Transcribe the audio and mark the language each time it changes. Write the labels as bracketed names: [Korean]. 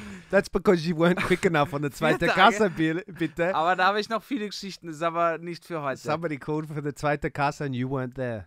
[English] That's because you weren't quick enough on the zweite Kasse, bitte. [German] Aber da habe ich noch viele Geschichten, das ist aber nicht für heute. [English] Somebody called for the zweite Kasse and you weren't there.